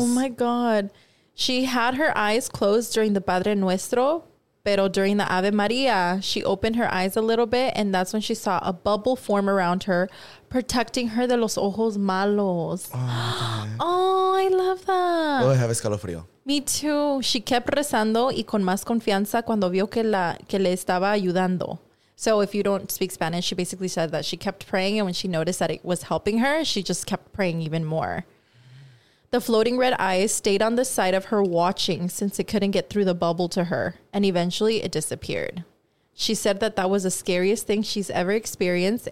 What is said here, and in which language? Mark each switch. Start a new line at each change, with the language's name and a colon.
English: Oh my God. She had her eyes closed during the Padre Nuestro,
Spanish: pero
English: during the Ave Maria, she opened her eyes a little bit, and that's when she saw a bubble form around her, protecting her
Spanish: de los ojos malos.
English: Oh, oh, I love that. Oh, I have escalofrío. Me too. She kept
Spanish: rezando y con más confianza cuando vio que la que le estaba ayudando.
English: So if you don't speak Spanish, she basically said that she kept praying. And when she noticed that it was helping her, she just kept praying even more. The floating red eyes stayed on the side of her watching since it couldn't get through the bubble to her. And eventually it disappeared. She said that that was the scariest thing she's ever experienced.